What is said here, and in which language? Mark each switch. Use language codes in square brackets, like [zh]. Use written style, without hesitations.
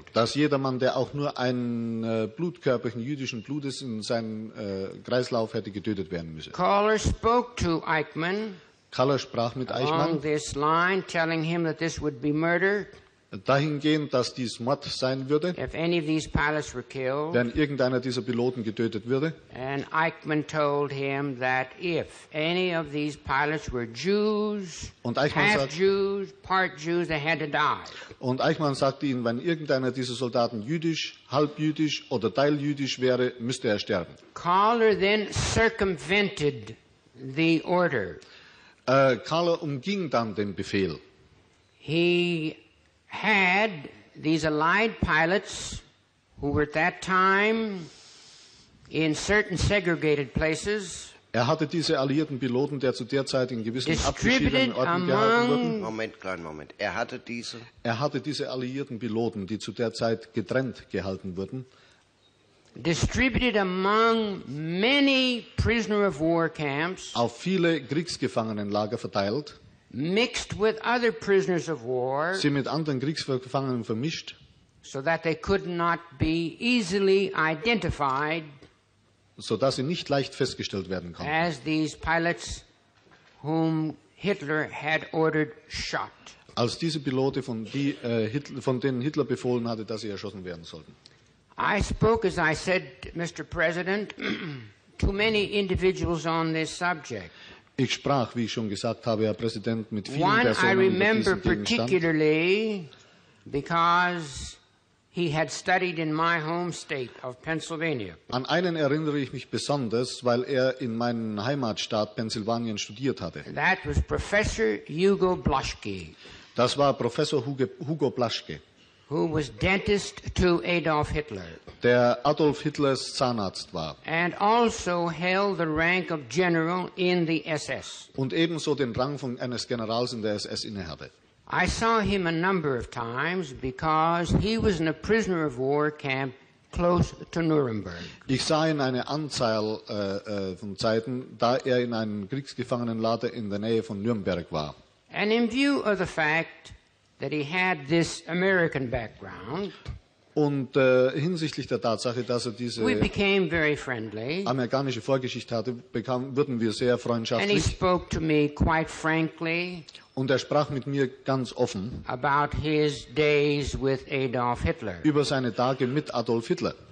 [de] Dass jedermann, der auch nur ein Blutkörperchen jüdischen Blutes in seinem Kreislauf hätte, getötet werden müsse. [en] Koller spoke to Eichmann. [de] Koller sprach mit Eichmann [en] along this line, telling him that this would be murder, [de] dahingehend, dass dies Mord sein würde, [en] if any of these pilots were killed, [de] wenn irgendeiner dieser Piloten getötet würde. [en] And Eichmann told him that if any of these pilots were Jews, [de] und Eichmann [en] half [de] sagt, [en] Jews, part Jews, they had to die. [de] Und Eichmann sagte ihnen, wenn irgendeiner dieser Soldaten jüdisch, halbjüdisch oder teiljüdisch wäre, müsste er sterben. [en] Koller then circumvented the order. [de] Koller umging dann den Befehl. [en] He had these allied pilots who were at that time in certain segregated places, [de] Er hatte diese alliierten Piloten, der zu der Zeit in gewissen abgeschiedenen Orten gehalten wurden. Er hatte diese alliierten Piloten, die zu der Zeit getrennt gehalten wurden. [en] Distributed among many prisoner of war camps, [de] auf viele Kriegsgefangenenlager verteilt, [en] mixed with other prisoners of war, [de] sie mit anderen Kriegsgefangenen vermischt, [en] so that they could not be easily identified, [de] so dass sie nicht leicht festgestellt werden konnten, [en] as these pilots whom Hitler had ordered shot, [de] als diese Piloten, von denen Hitler befohlen hatte, dass sie erschossen werden sollten. [en] I spoke, as I said, Mr. President, to many individuals on this subject. [de] Ich sprach, wie ich schon gesagt habe, Herr Präsident, mit vielen Personen über diesen Gegenstand. [en] One I remember particularly because he had studied in my home state of Pennsylvania. [de] An einen erinnere ich mich besonders, weil in meinem Heimatstaat Pennsylvania studiert hatte. [en] That was Professor Hugo Blaschke. [de] Das war Professor Hugo Blaschke. [en] Who was dentist to Adolf Hitler? [de] Der Adolf Hitlers Zahnarzt war. [en] And also held the rank of general in the SS. [de] Und ebenso den Rang von eines Generals in der SS innehatte. [en] I saw him a number of times because he was in a prisoner of war camp close to Nuremberg. [de] Ich sah ihn eine Anzahl von Zeiten, da in einem Kriegsgefangenenlager in der Nähe von Nürnberg war. [en] And in view of the fact that he had this American background, [de] und hinsichtlich der Tatsache, dass diese amerikanische Vorgeschichte hatte, wurden wir sehr freundschaftlich. [en] And he spoke to me quite frankly, [de] und sprach mit mir ganz offen [en] about his days with Adolf Hitler, [de] über seine Tage mit Adolf Hitler.